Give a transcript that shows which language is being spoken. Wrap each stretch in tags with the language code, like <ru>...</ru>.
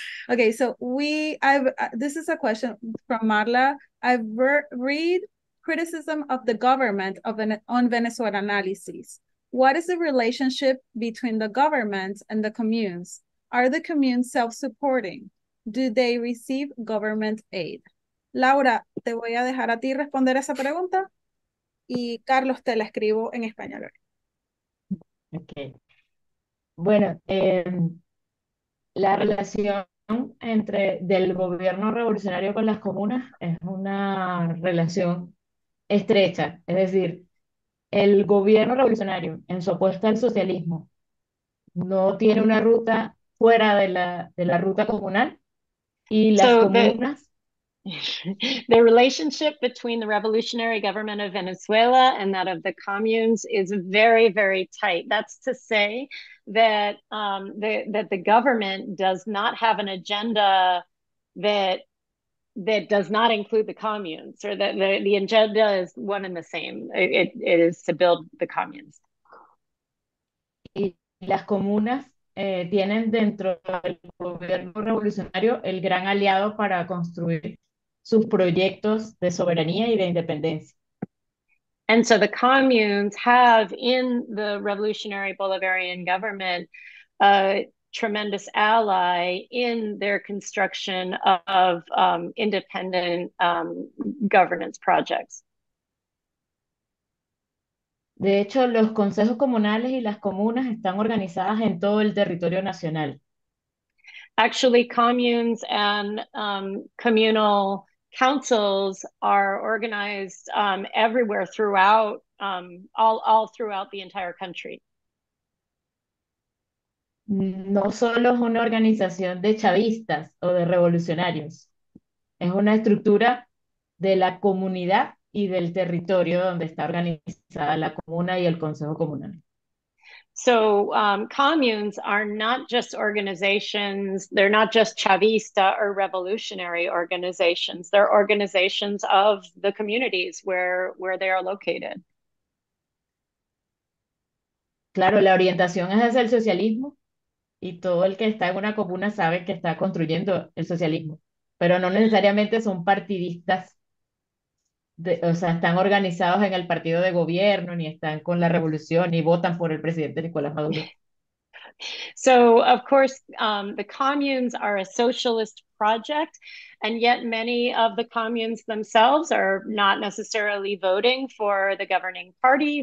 <en>Okay, so this is a question from Marla. I read criticism of the government on Venezuela analysis. What is the relationship between the government and the communes? Are the communes self-supporting? Do they receive government aid?</en> <es>Laura, te voy a dejar a ti responder esa pregunta. Y Carlos, te la escribo en español. Ok. Bueno, la relación entre del gobierno revolucionario con las comunas es una relación estrecha. Es decir, el gobierno revolucionario, en su apuesta al socialismo, no tiene una ruta fuera de la ruta comunal, y las comunas.</es> <en>The relationship between the revolutionary government of Venezuela and that of the communes is very, very tight. That's to say that the government does not have an agenda that does not include the communes, or that the agenda is one and the same. It is to build the communes.</en> <es>Y las comunas tienen dentro del gobierno revolucionario el gran aliado para construir sus proyectos de soberanía y de independencia.</es> <en>And so the communes have in the revolutionary Bolivarian government a tremendous ally in their construction of independent governance projects.</en> <es>De hecho, los consejos comunales y las comunas están organizadas en todo el territorio nacional.</es> <en>Actually, communes and communal councils are organized everywhere throughout all throughout the entire country.</en> <es>No solo es una organización de chavistas o de revolucionarios. Es una estructura de la comunidad y del territorio donde está organizada la comuna y el consejo comunal.</es> <en>So communes are not just organizations, they're not just chavista or revolutionary organizations, they're organizations of the communities where they are located.</en> <es>Claro, la orientación es hacia el socialismo, y todo el que está en una comuna sabe que está construyendo el socialismo, pero no necesariamente son partidistas, o sea, están organizados en el partido de gobierno, ni están con la revolución, ni votan por el presidente Nicolás Maduro.</es> <en>So, of course, the communes are a socialist project, and yet many of the communes themselves are not necessarily voting for the governing party.</en>